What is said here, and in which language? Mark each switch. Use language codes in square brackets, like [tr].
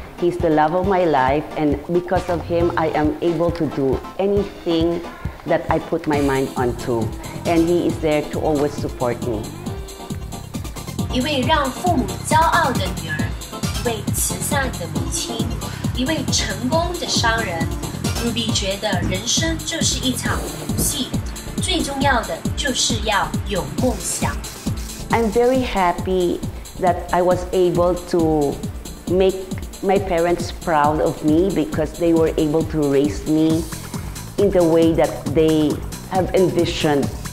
[en] He's the love of my life, and because of him, I am able to do anything that I put my mind onto, and he is there to always support me. [zh] 一位让父母骄傲的女儿，一位慈善的母亲，一位成功的商人， Rubby 觉得人生就是一场游戏，最重要的就是要有梦想。 [en] I'm very happy that I was able to make my parents proud of me because they were able to raise me in the way that they have envisioned.